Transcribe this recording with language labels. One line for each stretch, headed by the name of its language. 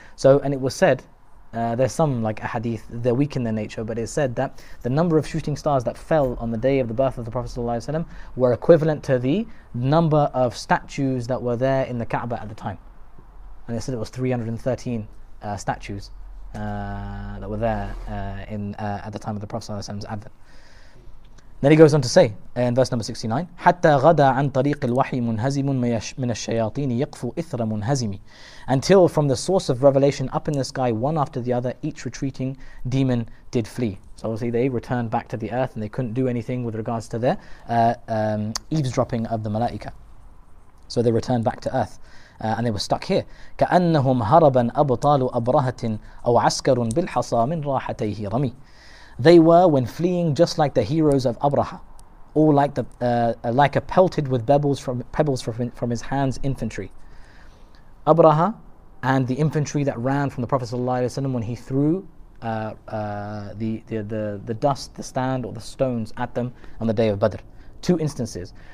English: So, and it was said, there's some like a hadith, they're weak in their nature, but it's said that the number of shooting stars that fell on the day of the birth of the Prophet ﷺ were equivalent to the number of statues that were there in the Kaaba at the time. And they said it was 313 statues that were there at the time of the Prophet ﷺ's advent. Then he goes on to say in verse number 69,
Arabic: حتى غدا عن طريق الوحي منهزم من الشياطين يقفو إثر منهزمي.
English: Until from the source of revelation up in the sky, one after the other, each retreating demon did flee. So obviously they returned back to the earth and they couldn't do anything with regards to their eavesdropping of the malaika. So they returned back to earth and they were stuck here.
Arabic: كأنهم هربا أبطال أبرهة أو عسكر بالحصى من راحتيه رمي.
English: They were, when fleeing, just like the heroes of Abraha, all like the like a pelted with pebbles from his hands infantry. Abraha and the infantry that ran from the Prophet ﷺ when he threw the dust, the sand or the stones at them on the day of Badr. Two instances.